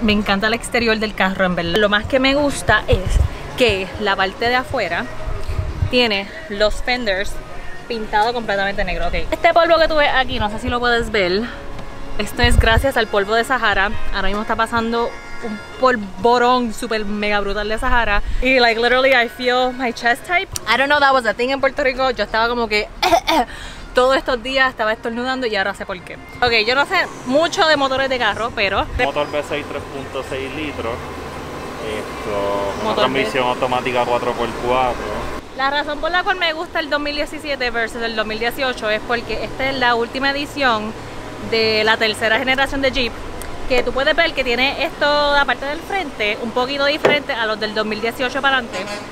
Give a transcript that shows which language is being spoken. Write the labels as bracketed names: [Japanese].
[Spanish] Me encanta el exterior del carro, en verdad. Lo más que me gusta es que la parte de afuera tiene los fenders pintados completamente negro. Okay. Este polvo que tú ves aquí, no sé si lo puedes ver. Esto es gracias al polvo de Sahara. Ahora mismo está pasando un polvorón super mega brutal de Sahara. [English] Y like literally I feel my chest tight. I don't know, that was a thing [Spanish] en Puerto Rico. Yo estaba como que todos estos días estaba estornudando y ahora sé por qué. Ok, yo no sé mucho de motores de carro, pero motor V6 3.6 litros. Esto, transmisión automática 4x4. La razón por la cual me gusta el 2017 versus el 2018 es porque esta es la última edición de la tercera generación de Jeep, que tú puedes ver que tiene esto de la parte del frente un poquito diferente a los del 2018 para adelante.